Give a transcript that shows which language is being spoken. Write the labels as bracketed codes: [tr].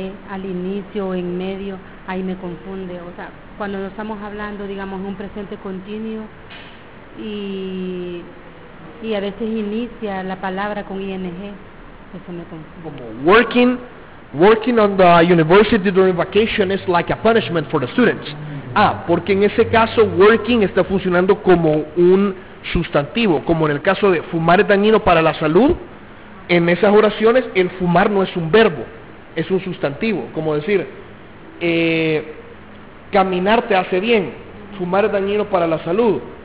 [es] Al inicio o en medio, ahí me confunde. O sea, cuando nos estamos hablando, digamos, un presente continuo y a veces inicia la palabra con ING, eso me confunde. Como [en] working on the university during vacation is like a punishment for the students. [es] Ah, porque en ese caso working está funcionando como un sustantivo, como en el caso de fumar es dañino para la salud. En esas oraciones el fumar no es un verbo, es un sustantivo. Como decir, caminar te hace bien, fumar es dañino para la salud.